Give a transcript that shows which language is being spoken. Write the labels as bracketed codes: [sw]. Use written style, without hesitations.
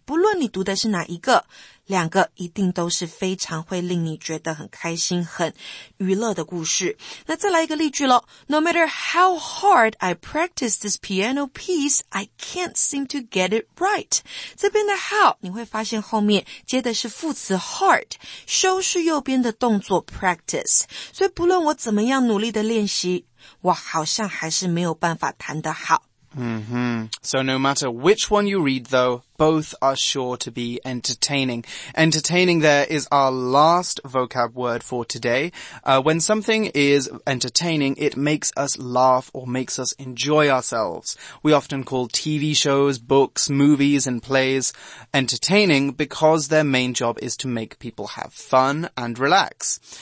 [zh] 不论你读的是哪一个,两个一定都是非常会令你觉得很开心,很娱乐的故事。那再来一个例句咯。 [en] No matter how hard I practice this piano piece, I can't seem to get it right. [zh] 这边的 how, 你会发现后面接的是副词 hard, 修饰右边的动作 practice。所以不论我怎么样努力的练习,我好像还是没有办法弹得好。 Mm-hmm. [en] So no matter which one you read, though, both are sure to be entertaining. Entertaining there is our last vocab word for today. When something is entertaining, it makes us laugh or makes us enjoy ourselves. We often call TV shows, books, movies, and plays entertaining because their main job is to make people have fun and relax.